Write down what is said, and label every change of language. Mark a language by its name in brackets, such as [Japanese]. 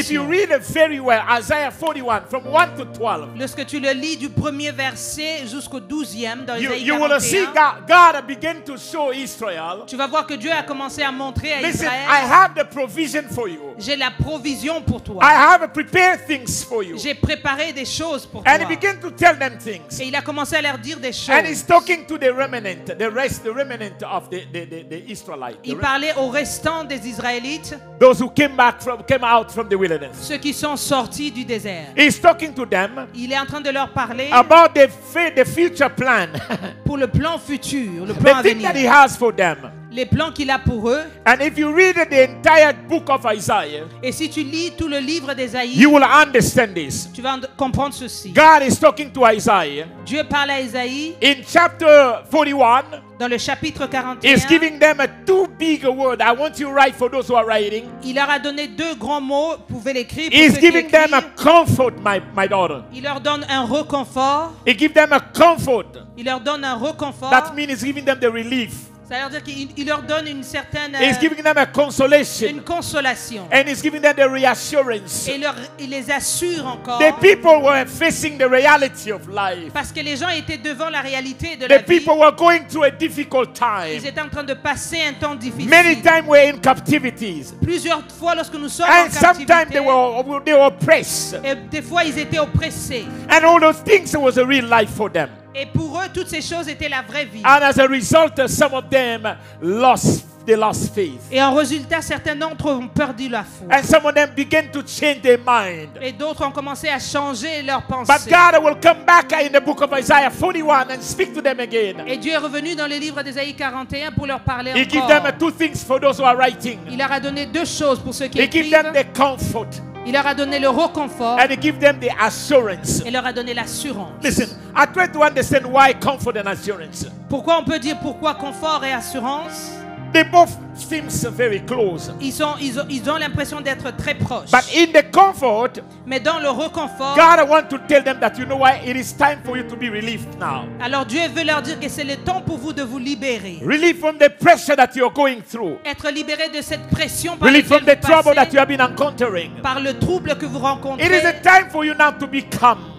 [English] If you read it very well, Isaiah 41, from 1 to 12. [French] Lorsque tu le lis du premier verset jusqu'au 12e dans Isaïe [English] You will see God begin to show Israel. [French] Tu vas voir que Dieu a commencé à montrer à [English] Listen, [French] Israël. [English] Listen, I have the provision for you. [French] J'ai la provision pour toi. [English] I have prepared things for you. [French] J'ai préparé des choses pour [English] And [French] toi. [English] And he began to tell them things. [French] Et il a commencé à leur dire des choses. [English] And he's talking to the remnant, the rest, the remnant of the Israelites. [French] Il parlait aux restants des Israélites. [English] Those who came out from the wilderness. [French] Ceux qui sont sortis du désert. [English] He's talking to them. [French] Il est en train de leur parler. [English] About the future plan. [French] Pour le plan futur, le plan à venir. [English] The thing that he has for them. [French] Les plans qu'il a pour eux. [English] And if you read the entire book of Isaiah. [French] Et si tu lis tout le livre d'Isaïe. [English] You will understand this. [French] Tu vas comprendre ceci. [English] God is talking to Isaiah. [French] Dieu parle à Isaïe. [English] In chapter 41. [French] Dans le chapitre 41. [English] He's giving them a two big word. I want you to write for those who are writing. [French] Il leur a donné deux grands mots. Vous pouvez l'écrire. [English] He's giving them a comfort, my daughter. [French] Il leur donne un réconfort. [English] He gives them a comfort. [French] Il leur donne un réconfort. [English] That means he's giving them the relief. [French] C'est-à-dire qu'il leur donne une certaine [English] he's giving them a consolation. [French] Une consolation. [English] And he's giving them the reassurance. [French] Et il les assure encore. [English] The people were facing the reality of life. [French] Parce que les gens étaient devant la réalité de [English] the [French] la vie. [English] The people were going through a difficult time. [French] Ils étaient en train de passer un temps difficile. [English] Many times we're in captivities. [French] Plusieurs fois lorsque nous sommes [English] and [French] en captivité. [English] And sometimes they were oppressed. [French] Et des fois ils étaient oppressés. [English] And all those things was a real life for them. [French] Et pour eux, toutes ces choses étaient la vraie vie. [English] And as a result, some of them lost faith. [French] Et en résultat, certains d'entre eux ont perdu la foi. [English] And some of them began to change their mind. [French] Et d'autres ont commencé à changer leurs pensées. [English] But God will come back in the book of Isaiah 41 and speak to them again. [French] Et Dieu est revenu dans le livre d'Isaïe 41 pour leur parler [English] He [French] encore. [English] He gave them two things for those who are writing. [French] Il leur a donné deux choses pour ceux qui [English] He [French] écrivent. [English] He gave them the comfort. [French] Il leur a donné le réconfort. [English] And he gave them the assurance. [French] Il leur a donné l'assurance. [English] Listen, I try to understand why comfort and assurance. [French] Pourquoi on peut dire pourquoi confort et assurance? [English] They both seem very close. [French] Ils ont l'impression d'être très proches. [English] But in the comfort, [French] mais dans le réconfort, [English] God wants to tell them that you know why it is time for you to be relieved now. [French] Alors Dieu veut leur dire que c'est le temps pour vous de vous libérer. [English] Relief from the pressure that you are going through. [French] Être libéré de cette pression. [English] Relief from the trouble that you have been encountering. [French] Par le trouble que vous rencontrez. [English] It is a time for you now to be calm.